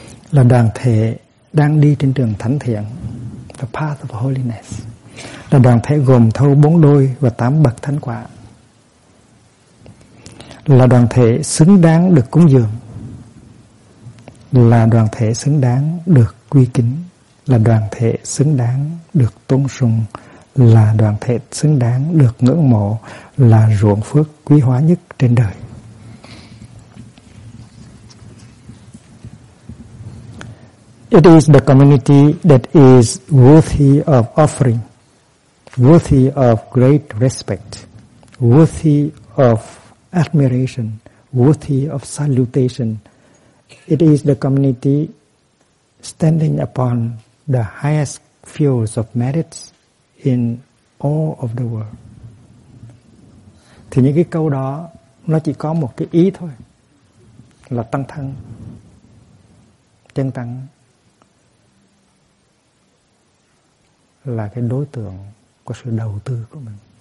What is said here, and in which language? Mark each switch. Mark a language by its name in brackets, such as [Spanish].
[Vietnamese] Là đoàn thể đang đi trên đường thánh thiện, [English] the path of holiness, [Vietnamese] là đoàn thể gồm thâu 4 đôi và 8 bậc thánh quả, là đoàn thể xứng đáng được cúng dường, là đoàn thể xứng đáng được quy kính, là đoàn thể xứng đáng được tôn sùng, là đoàn thể xứng đáng được ngưỡng mộ, là ruộng phước quý hóa nhất trên đời. [English] It is the community that is worthy of offering, worthy of great respect, worthy of admiration, worthy of salutation. It is the community standing upon the highest fields of merits in all of the world. [Vietnamese] Thì những cái câu đó nó chỉ có một cái ý thôi, là tăng thân, chân tăng là cái đối tượng của sự đầu tư của mình.